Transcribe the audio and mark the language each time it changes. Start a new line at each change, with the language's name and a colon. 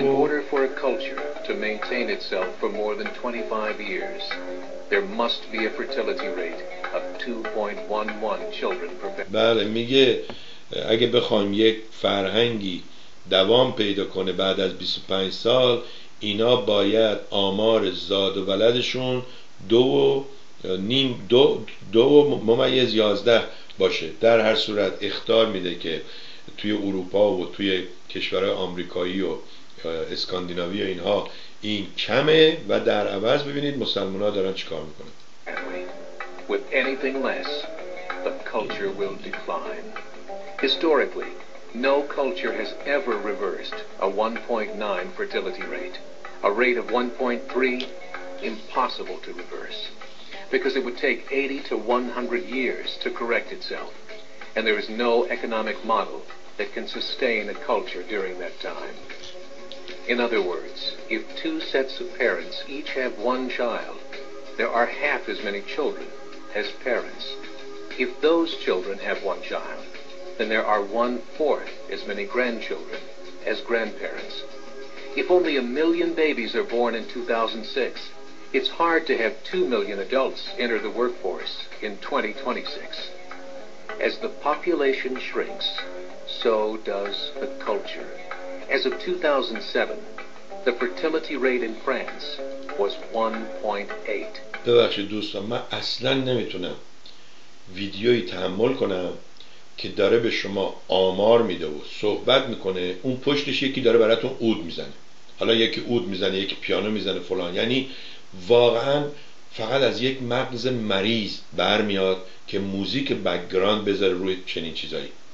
English: In order for a culture to maintain itself for more than 25 years, there must be a fertility rate of 2.11 children per family.
Persian: بله میگه اگه بخوایم یک فرهنگی دوام پیدا کنه بعد از 25 سال، اینا باید آمار زاد و ولدشون 2.11 باشه. در هر صورت اختار میده که توی اروپا و توی کشورهای آمریکایی و اسکاندیناوی و اینها این کمه و در عوض ببینید مسلمان‌ها دارن چیکار میکنن.
English: With anything less, the culture will decline. Historically, no culture has ever reversed a 1.9 fertility rate. A rate of 1.3 impossible to reverse because it would take 80 to 100 years to correct itself and there is no economic model that can sustain a culture during that time. In other words, if two sets of parents each have one child, there are half as many children as parents. If those children have one child, then there are one-fourth as many grandchildren as grandparents. If only a million babies are born in 2006, it's hard to have 2 million adults enter the workforce in 2026. As the population shrinks, so does the culture. As of 2007, the fertility rate in France was 1.8.
Persian: ببخشید دوستان، من اصلا نمیتونم ویدیویی تحمل کنم که داره به شما آمار میده و صحبت میکنه، اون پشتش یکی داره براتون عود میزنه. حالا یکی عود میزنه، یکی پیانو میزنه، فلان. یعنی واقعا فقط از یک مغز مریض برمیاد که موزیک بک‌گراند بذاره روی چنین چیزایی.